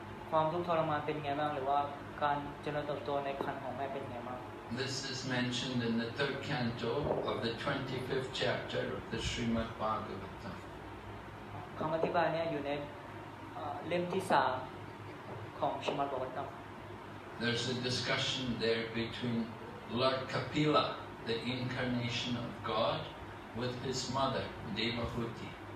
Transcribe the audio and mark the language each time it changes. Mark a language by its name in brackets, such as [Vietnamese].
[Thai] ความทุกข์ทรมานเป็นไงบ้างหรือว่าการเจริญเติบโตในครรภ์ของแม่เป็นไงบ้าง [English] This is mentioned in the third canto of the 25th chapter of the Srimad Bhagavatam [Thai] คำอธิบายเนี่ยอยู่ในเล่มที่3ของชรีมัทบาโกวัตต [English] There's a discussion there between Lord Kapila, the incarnation of God, with his mother, Devahuti.